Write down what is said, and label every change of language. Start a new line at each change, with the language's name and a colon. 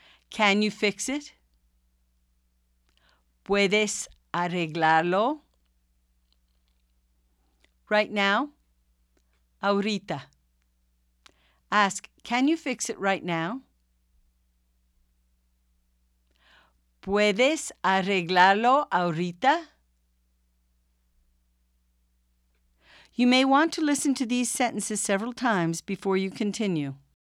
English: Can you fix it?
Spanish: ¿Puedes arreglarlo?
English: Right now? Ahorita. Ask, can you fix it right now?
Spanish: ¿Puedes arreglarlo ahorita?
English: You may want to listen to these sentences several times before you continue.